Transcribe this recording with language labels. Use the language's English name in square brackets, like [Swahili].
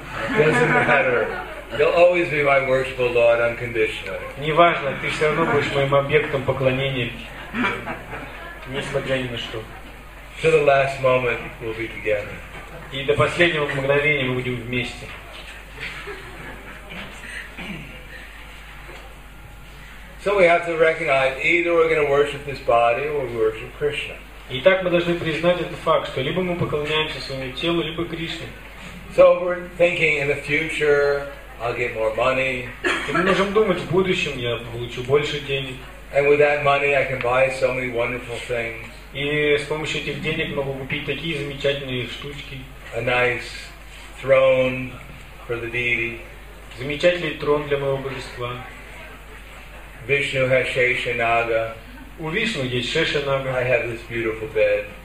[English] Doesn't matter. You'll always be my worshipful Lord unconditionally. [Russian] Неважно, ты все равно будешь моим объектом поклонения, несмотря ни на что. [English] To the last moment, we'll be together. [Russian] И до последнего мгновения мы будем вместе. [English] So we have to recognize either we're going to worship this body or worship Krishna. [Russian] Итак, мы должны признать этот факт, что либо мы поклоняемся своему телу, либо Кришне. [English] So we're thinking in the future I'll get more money. [Russian] И мы можем думать, в будущем я получу больше денег. [English] And with that money I can buy so many wonderful things. [Russian] И с помощью этих денег могу купить такие замечательные штучки. [English] A nice throne. for the deity. [Russian] Замечательный трон для моего божества. [English] Vishnu has Sheshanaga. [Russian] У Вишну есть Шешанага. [English] I have this beautiful bed.